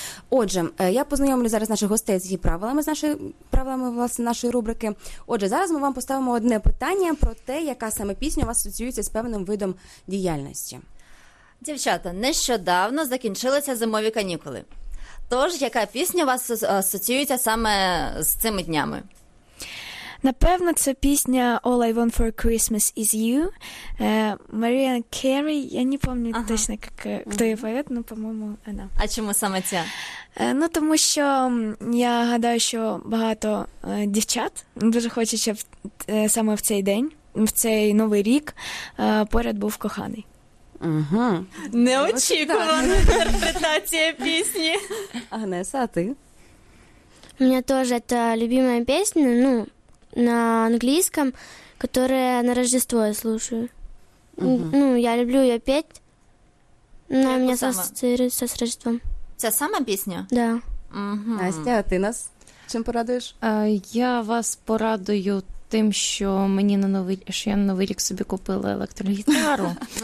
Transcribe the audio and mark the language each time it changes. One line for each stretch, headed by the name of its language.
Ukrainian: Отже, я познайомлю зараз наших гостей з її правилами, власне, нашої рубрики. Отже, зараз ми вам поставимо одне питання про те, яка саме пісня у вас асоціюється з певним видом діяльності. Дівчата, нещодавно закінчилися зимові канікули. Тож, яка пісня у вас асоціюється саме з цими днями? Напевно, це пісня
English: «All I Want for Christmas is You»
Ukrainian: Маріан Керрі. Я не пам'ятаю точно, хто її поет, але, по-моєму, вона. А чому саме ця? Ну, тому що я гадаю, що багато дівчат дуже хочуть, щоб саме в цей день, в цей новий рік поряд був коханий. Угу. Неочікувана інтерпретація пісні. Агнеса, а ти? У мене теж це любима пісня,
Russian: ну, на англійском, которое на Рождество я слушаю. Угу. Ну, я люблю ее петь, но у меня ассоциируется с Рождеством.
Ukrainian: Це сама пісня?
Russian: Да.
Ukrainian: Угу. Настя, а ти нас чим порадуєш? Я вас порадую тим, що мені на новий, що я на новий рік собі купила електрогітару.